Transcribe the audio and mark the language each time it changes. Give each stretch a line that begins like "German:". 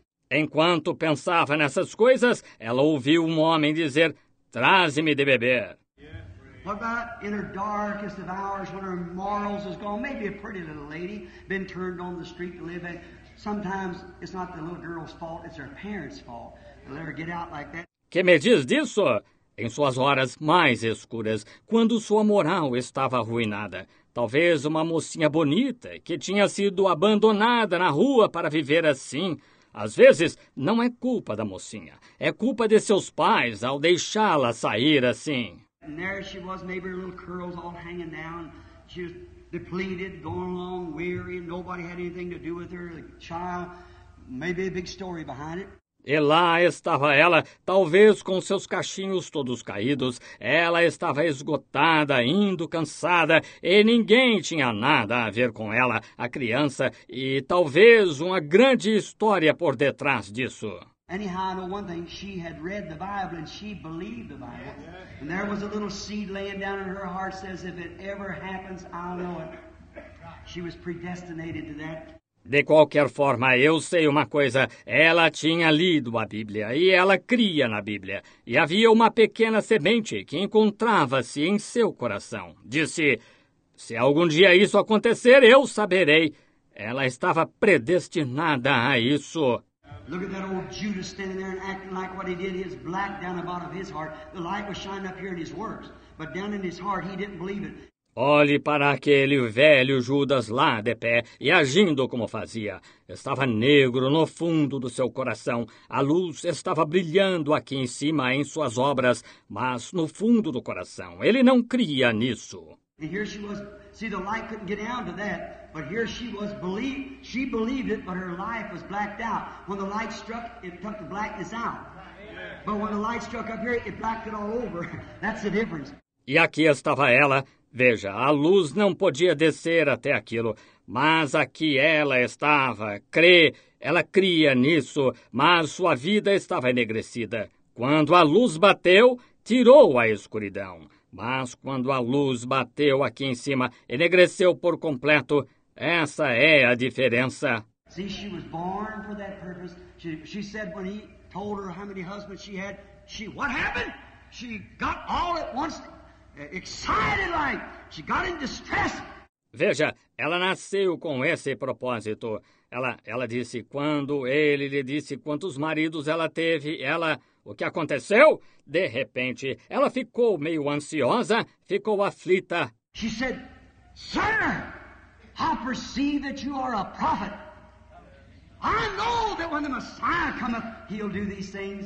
Portuguese: Enquanto pensava nessas coisas, ela ouviu um homem dizer, traze-me de beber.
English: What about in her darkest of hours when her morals is gone? Maybe a pretty little lady been turned on the street to live in. Sometimes it's not the little girl's fault, it's her parents' fault. They'll never get out like that.
Portuguese: Que me diz disso? Em suas horas mais escuras, quando sua moral estava arruinada, talvez uma mocinha bonita que tinha sido abandonada na rua para viver assim. Às vezes, não é culpa da mocinha. É culpa de seus pais ao deixá-la sair assim.
English: And there she was, maybe her little curls all hanging down. She was depleted, going along, weary, and nobody had anything to do with her. The child, maybe a big story behind it.
Portuguese: E lá estava ela, talvez com seus cachinhos todos caídos. Ela estava esgotada, indo cansada, e ninguém tinha nada a ver com ela, a criança, e talvez uma grande história por detrás disso.
English: Anyhow, I know one thing, she had read the Bible and she believed the Bible. And there was a little seed laying down in her heart, says, if it ever happens, I'll know it. She was predestinated to that.
Portuguese: De qualquer forma, eu sei uma coisa, ela tinha lido a Bíblia e ela cria na Bíblia. E havia uma pequena semente que encontrava-se em seu coração. Disse, se algum dia isso acontecer, eu saberei. Ela estava predestinada a isso.
English: Look at that old Judas standing there and acting like what he did. His black down the bottom of his heart. The light was shining up here in his works. But down in his heart, he didn't believe it.
Portuguese: Olhe para aquele velho Judas lá de pé e agindo como fazia. Estava negro no fundo do seu coração. A luz estava brilhando aqui em cima em suas obras, mas no fundo do coração. Ele não cria nisso.
English: And here she was. See, the light couldn't get down to that. But here she was, she believed it, but her life was blacked out. When the light struck, it took the blackness out. But when the light struck up here, it blacked it all over. That's the difference.
Portuguese: E aqui estava ela. Veja, a luz não podia descer até aquilo, mas aqui ela estava, crê, ela cria nisso, mas sua vida estava enegrecida. Quando a luz bateu, tirou a escuridão. Mas quando a luz bateu aqui em cima, enegreceu por completo, essa é a diferença.
English: See, she was born for that purpose. She said when he told her how many husbands she had, she, what happened? She got all at once. Excited like, she got in distress.
Portuguese: Veja, ela nasceu com esse propósito. Ela disse, quando ele lhe disse quantos maridos ela teve, ela, o que aconteceu? De repente, ela ficou meio ansiosa, ficou aflita.
English: She said, sir, I perceive that you are a prophet. I know that when the Messiah cometh, he'll do these things.